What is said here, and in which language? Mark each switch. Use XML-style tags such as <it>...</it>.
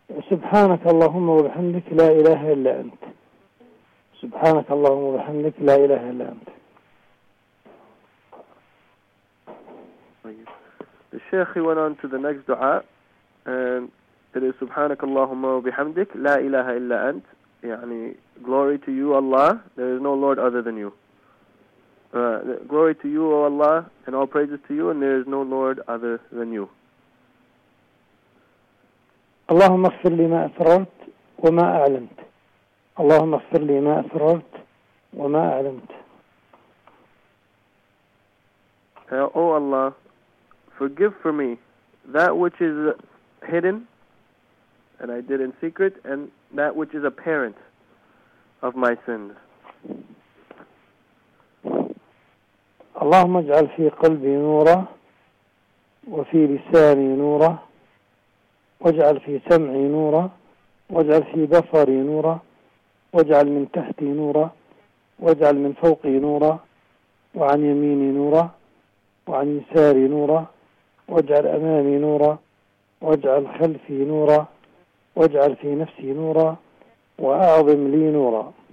<ar>سبحانك اللهم وبحمدك لا إله إلا أنت. سبحانك اللهم وبحمدك لا إله إلا أنت.</ar> <en>The Sheikh went on to the next dua, and it is</en> <ar>سبحانك اللهم وبحمدك لا إله إلا أنت.</ar> <en>يعني glory to you Allah, there is no Lord other than you. Glory to you O Allah, and all praises to you, and there is no Lord other than you.</en> <ar>اللهم اغفر لي ما أسررت وما أعلمت. اللهم اغفر لي ما أسررت وما أعلمت.</ar> <en>O Allah, forgive for me that which is hidden and I did in secret, and that which is apparent of my sins.</en> <ar>اللهم اجعل في قلبي نورا وفي لساني نورا واجعل في سمعي نورا واجعل في بصري نورا واجعل من تحتي نورا واجعل من فوقي نورا وعن يميني نورا وعن يساري نورا واجعل أمامي نورا واجعل خلفي نورا واجعل في نفسي نورا وأعظم لي نورا.</ar>